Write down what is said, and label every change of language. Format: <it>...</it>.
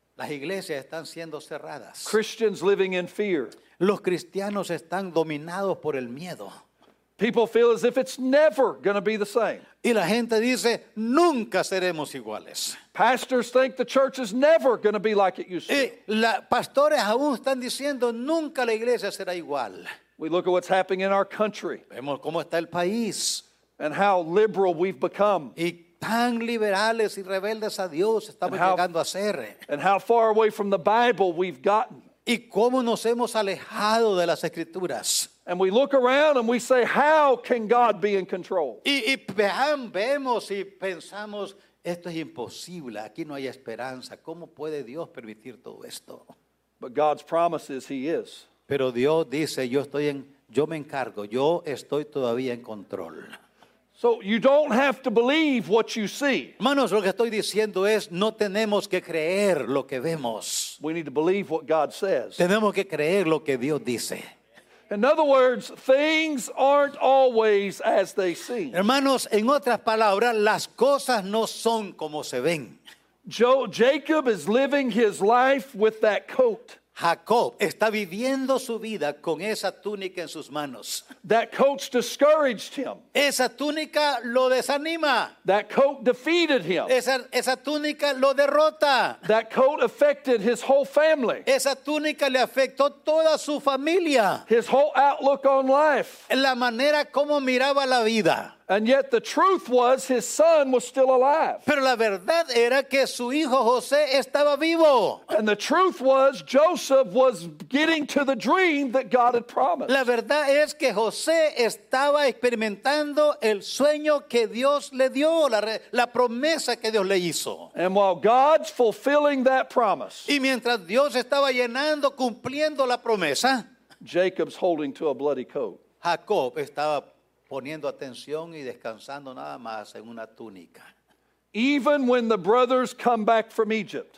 <es>Las iglesias están siendo cerradas.</es> <en>Christians living in fear.</en> <es>Los cristianos están dominados por el miedo.</es> <en>People feel as if it's never going to be the same.</en> <es>Y la gente dice, nunca seremos iguales.</es> <en>Pastors think the church is never going to be like it used to.</en> <es>Y los pastores aún están diciendo, nunca la iglesia será igual.</es> <en>We look at what's happening in our country.</en> <es>Vemos cómo está el país.</es> <en>And how liberal we've become.</en> <es>Y tan liberales y rebeldes a Dios estamos llegando a ser.</es> <en>And how far away from the Bible we've gotten.</en> <es>Y cómo nos hemos alejado de las Escrituras.</es> <en>And we look around and we say, how can God be in control?</en> <es>Y vemos y pensamos, esto es imposible, aquí no hay esperanza. ¿Cómo puede Dios permitir todo esto?</es> <en>But God's promise is he is.</en> <es>Pero Dios dice, yo me encargo, yo estoy todavía en control.</es> <en>So you don't have to believe what you see.</en> <es>Manos, lo que estoy diciendo es, no tenemos que creer lo que vemos.</es> <en>We need to believe what God says.</en> <es>Tenemos que creer lo que Dios dice.</es> <en>In other words, things aren't always as they seem.</en> <es>Hermanos, en otras palabras, las cosas no son como se ven.</es> <en>Jacob is living his life with that coat.</en> <es>Jacob está viviendo su vida con esa túnica en sus manos.</es> <en>That coat discouraged him.</en> <es>Esa túnica lo desanima.</es> <en>That coat defeated him.</en> <es>Esa túnica lo derrota.</es> <en>That coat affected his whole family.</en> <es>Esa túnica le afectó toda su familia.</es> <en>His whole outlook on life.</en> <es>La manera como miraba la vida.</es> <en>And yet the truth was his son was still alive.</en> <es>Pero la verdad era que su hijo José estaba vivo.</es> <en>And the truth was Joseph was getting to the dream that God had promised.</en> <es>La verdad es que José estaba experimentando el sueño que Dios le dio, la promesa que Dios le hizo.</es> <en>And while God's fulfilling that promise.</en> <es>Y mientras Dios estaba llenando, cumpliendo la promesa.</es> <en>Jacob's holding to a bloody coat.</en> <es>Jacob estaba poniendo atención y descansando nada más en una túnica.</es> <en>Even when the brothers come back from Egypt.</en>